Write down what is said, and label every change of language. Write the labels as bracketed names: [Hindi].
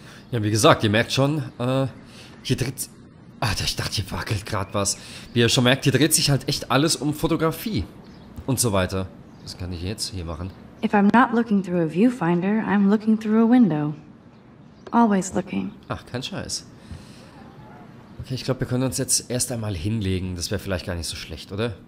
[German] Ja, wie gesagt, ihr merkt schon, hier dreht... Alter, ich dachte, hier wackelt gerade was. Wie ihr schon merkt, hier dreht sich halt echt alles um Fotografie und so weiter. Was kann ich jetzt hier machen? [English] If I'm not looking through a viewfinder, I'm looking through a window. Always looking. [German] Ach, kein Scheiß. Okay, ich glaube, wir können uns jetzt erst einmal hinlegen. Das wäre vielleicht gar nicht so schlecht, oder?